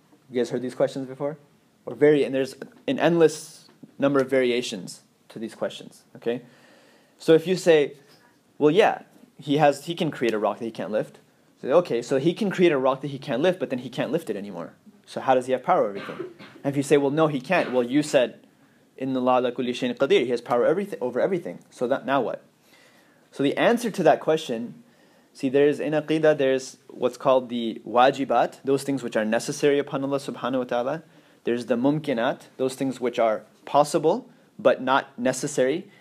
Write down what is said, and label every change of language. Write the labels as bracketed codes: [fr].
[en] You guys heard these questions before? And there's an endless number of variations to these questions, okay? So if you say, well, yeah, He can create a rock that He can't lift. Say, okay, so He can create a rock that He can't lift, but then He can't lift it anymore. So how does He have power over everything? And if you say, well, no, He can't. Well, you said, [ar] إِنَّ اللَّهَ عَلَىٰ كُلِّ شَيْءٍ قَدِيرٍ. [en] He has power over everything. So that, now what? So the answer to that question, see, there's in aqidah, there's what's called the wajibat, those things which are necessary upon Allah subhanahu wa ta'ala. There's the mumkinat, those things which are possible, but not necessary.